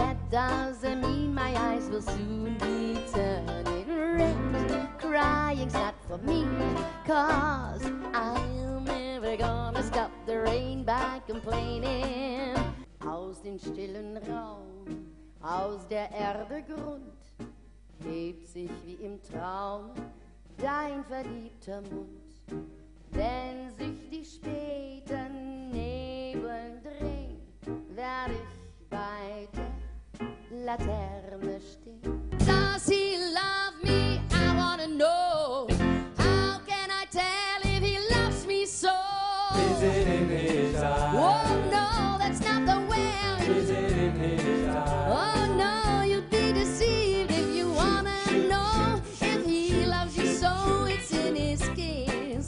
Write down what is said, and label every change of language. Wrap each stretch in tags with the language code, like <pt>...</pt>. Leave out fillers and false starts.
<en>doesn't mean my eyes will soon be turning red. Crying's not for me, 'cause I'm never gonna stop the rain by complaining.</en> <de>Aus dem stillen Raum, aus der Erde Grund, hebt sich wie im Traum dein verliebter Mund. Wenn sich die späten Nebeln drehen, werd ich bei der Laterne stehen.</de> <en>Does he love me? I wanna know. How can I tell if he loves me so? Is it in his eyes? Oh no, that's not the way. Is it in his eyes? Oh no, you'd be deceived if you wanna know. If he loves you so, it's in his kiss.</en>